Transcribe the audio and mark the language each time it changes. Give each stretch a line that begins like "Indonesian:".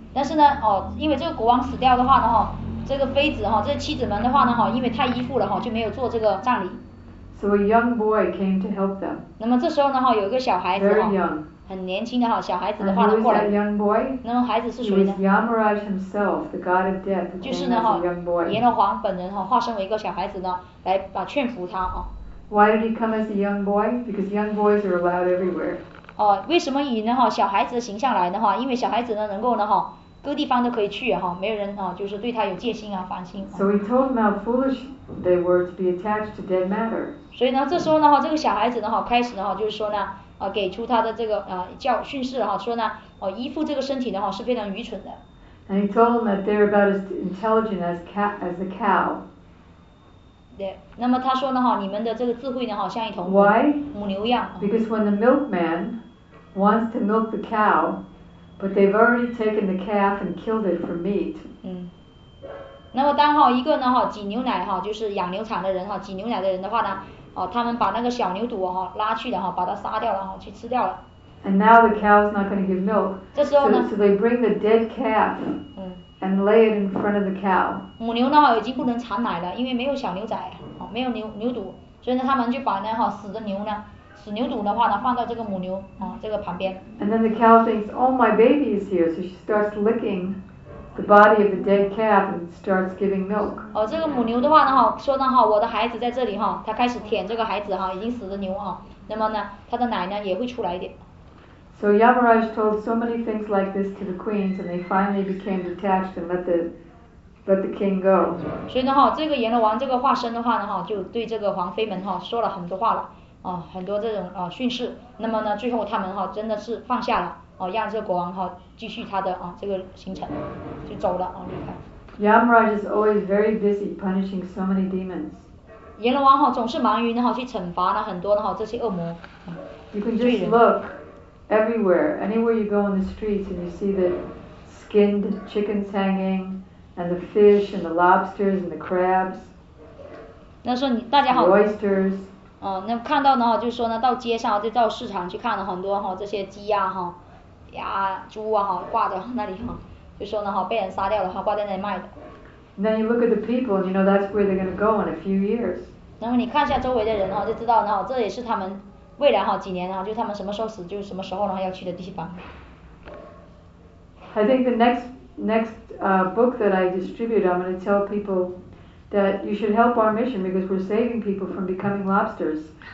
Chinese: 但是呢哦，因为这个国王死掉的话呢哈，这个妃子哈，这些妻子们的话呢哈，因为太依附了哈，就没有做这个葬礼。
English: So a young boy came to help them.
Chinese: 那么这时候呢哈，有一个小孩子哈，
English: Very young.
Chinese: 很年轻的哈，小孩子的话呢过来。
English: And who was that young boy?
Chinese: 那么孩子是谁呢
English: ？He was Yamaraj himself, the god of death.
Chinese: 就是呢哈，阎罗王本人哈，化身为一个小孩子呢，来把劝服他哈。
English: Why did he come as a young boy? Because young boys are allowed everywhere.
Chinese: 哦，为什么以呢哈小孩子的形象来呢哈？因为小孩子呢能够呢哈各地方都可以去哈，没有人哈就是对他有戒心啊防心。
English: So he told them how foolish they were to be attached to dead matter.
Chinese: 所以呢，这时候呢哈，这个小孩子呢哈开始呢哈就是说呢啊，给出他的这个啊教训示哈，说呢哦依附这个身体的话是非常愚蠢的。
English: And he told them that they're about as intelligent as cat as a cow.
Chinese: 对，那么他说呢哈，你们的这个智慧呢哈像一头
English: Why?
Chinese: 母牛一样。
English: Because when the milkman wants to milk the cow, but they've already taken the calf and killed it for meat.
Chinese: 嗯，那么当哈一个呢哈挤牛奶哈，就是养牛场的人哈，挤牛奶的人的话呢，哦，他们把那个小牛犊哈拉去了哈，把它杀掉了哈，去吃掉了。
English: And now the cow's not going to give milk.
Chinese: 这时候呢
English: so they bring the dead calf. 嗯。 And lay it in front of the cow.
Chinese: 母牛呢已经不能产奶了，因为没有小牛仔，哦，没有牛犊，所以呢他们就把那哈死的牛呢。死牛犊的话呢，放到这个母牛啊，这个旁边。
English: And then the cow thinks, "Oh, my baby is here," so she starts licking the body of the dead calf and starts giving milk.
Chinese: 哦，这个母牛的话呢，哈，说呢，哈，我的孩子在这里哈，它开始舔这个孩子哈，已经死的牛哈，那么呢，它的奶呢也会出来一点。
English: So Yamaraj told so many things like this to the queens, and they finally became detached and let the king go.
Chinese: 所以呢，哈，这个阎罗王这个化身的话呢，哈，就对这个皇妃们哈说了很多话了。哦，很多这种啊训示，那么呢，最后他们哈真的是放下了，哦，让这个国王哈继续他的啊这个行程，就走了啊离开。
English: Yamaraj is always very busy punishing so many demons.
Chinese: 阎罗王哈总是忙于呢哈去惩罚了很多哈这些恶魔。
English: You can just look anywhere you go in the streets, and you see the skinned chickens hanging, and the fish, and the lobsters, and the crabs.
Chinese: 那时候你大家好。
English: Oysters.
Chinese: 哦，那看到呢，就是说呢，到街上就到市场去看了很多哈，这些鸡呀、啊、哈、鸭、猪啊哈，挂在那里哈，就说呢哈，被人杀掉了哈，挂在那里卖的。
English: Then you look at the people, you know that's where they're going to go in a few years.
Chinese: 然后你看一下周围的人哈，就知道呢，这也是他们未来哈几年啊，就他们什么时候死，就是什么时候呢要去的地方。
English: I think the next book that I distribute, I'm going to tell people. That you should help our mission because we're saving people from becoming lobsters.